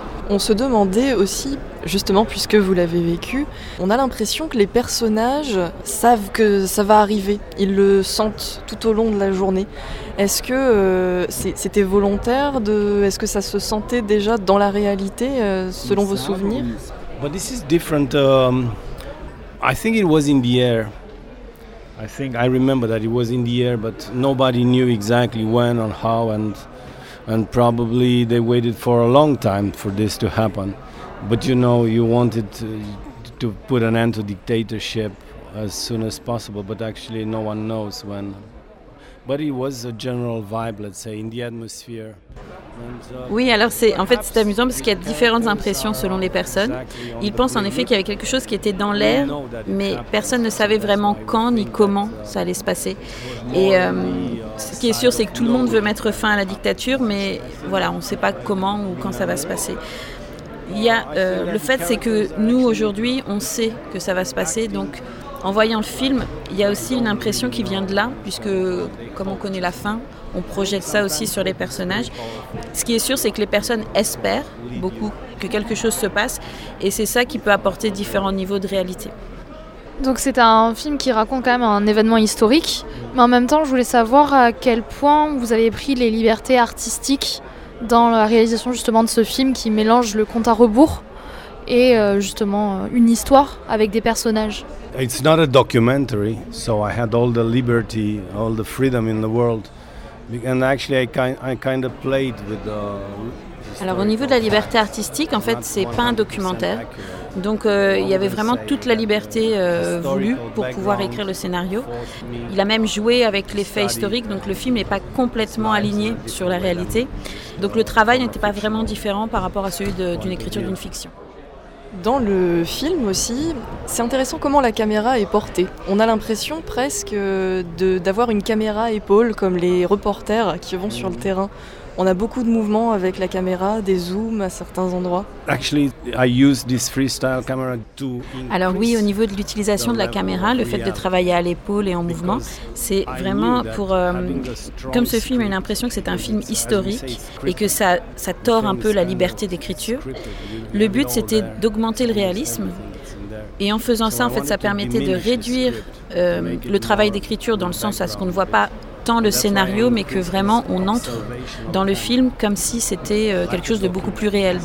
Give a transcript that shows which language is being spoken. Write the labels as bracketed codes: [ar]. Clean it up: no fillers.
[fr] On se demandait aussi, justement, puisque vous l'avez vécu, on a l'impression que les personnages savent que ça va arriver. Ils le sentent tout au long de la journée. Est-ce que c'était volontaire de... Est-ce que ça se sentait déjà dans la réalité, selon vos souvenirs ? [en] But this is different. I think it was in the air. I think I remember that it was in the air, but nobody knew exactly when or how, and probably they waited for a long time for this to happen. But you know, you wanted to put an end to dictatorship as soon as possible, but actually no one knows when. But it was a general vibe, let's say, in the atmosphere. [fr] Oui, alors c'est amusant parce qu'il y a différentes impressions selon les personnes. Ils pensent en effet qu'il y avait quelque chose qui était dans l'air, mais personne ne savait vraiment quand ni comment ça allait se passer. Et ce qui est sûr, c'est que tout le monde veut mettre fin à la dictature, mais voilà, on ne sait pas comment ou quand ça va se passer. Le fait, c'est que nous, aujourd'hui, on sait que ça va se passer, donc... En voyant le film, il y a aussi une impression qui vient de là, puisque comme on connaît la fin, on projette ça aussi sur les personnages. Ce qui est sûr, c'est que les personnes espèrent beaucoup que quelque chose se passe, et c'est ça qui peut apporter différents niveaux de réalité. Donc c'est un film qui raconte quand même un événement historique, mais en même temps, je voulais savoir à quel point vous avez pris les libertés artistiques dans la réalisation justement de ce film qui mélange le compte à rebours et justement une histoire avec des personnages. [en] It's not a documentary, so I had all the liberty, all the freedom in the world. And actually I kind of played with the... [fr] Alors au niveau de la liberté artistique, en fait, c'est pas un documentaire. Donc il y avait vraiment toute la liberté voulue pour pouvoir écrire le scénario. Il a même joué avec l'effet historique, donc le film n'est pas complètement aligné sur la réalité. Donc le travail n'était pas vraiment différent par rapport à celui d'une écriture d'une fiction. Dans le film aussi, c'est intéressant comment la caméra est portée. On a l'impression presque d'avoir une caméra épaule comme les reporters qui vont sur le terrain. On a beaucoup de mouvements avec la caméra, des zooms à certains endroits. [en] Actually, I use this freestyle camera to increase. [fr] Alors oui, au niveau de l'utilisation de la caméra, le fait de travailler à l'épaule et en mouvement, c'est vraiment pour... comme ce film a une impression que c'est un film historique et que ça tord un peu la liberté d'écriture, le but c'était d'augmenter le réalisme. Et en faisant ça, en fait, ça permettait de réduire le travail d'écriture dans le sens à ce qu'on ne voit pas tant le scénario, mais que vraiment on entre dans le film comme si c'était quelque chose de beaucoup plus réel.